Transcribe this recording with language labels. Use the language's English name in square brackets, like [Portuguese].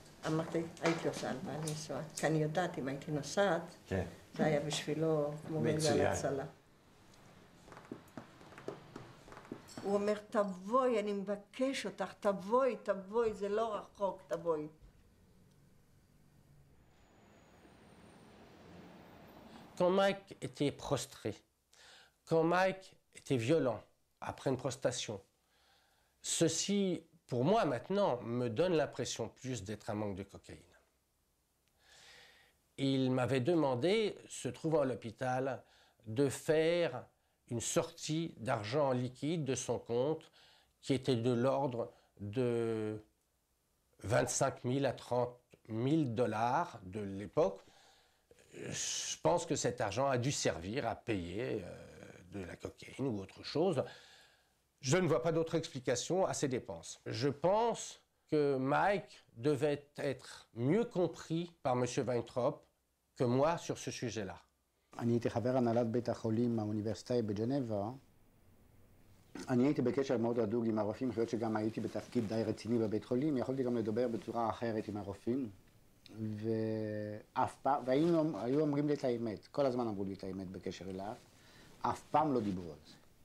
[Hebrew] אמרתי, הייתי עושה על בעלי נסוע, כי אני יודעת, אם הייתי נוסעת, זה היה בשבילו מוריד על הצלה. הוא אומר, תבואי, אני מבקש אותך, תבואי, זה לא רחוק, תבואי. [French] Quand Mike était prostré, quand Mike était violent après une prostration, ceci, pour moi maintenant, me donne l'impression plus d'être un manque de cocaïne. Il m'avait demandé, se trouvant à l'hôpital, de faire une sortie d'argent en liquide de son compte qui était de l'ordre de 25 000 à 30 000 dollars de l'époque. Je pense que cet argent a dû servir à payer de la cocaïne ou autre chose. Je ne vois pas d'autre explication à ces dépenses. Je pense que Mike devait être mieux compris par M. Weintraub que moi sur ce sujet-là. Je suis un ami de [Hebrew] Beit HaCholim [French] à l'Université de Genève. [Hebrew] אני הייתי בקשר מאוד הדוק עם הרופאים, חושב שגם הייתי בתפקיד די רציני בבית חולים, יכולתי גם לדבר בצורה אחרת עם הרופאים. ואף פעם, והיו אומרים לי את האמת, כל הזמן אמרו לי את האמת בקשר אליו, אף פעם לא דיברו על זה.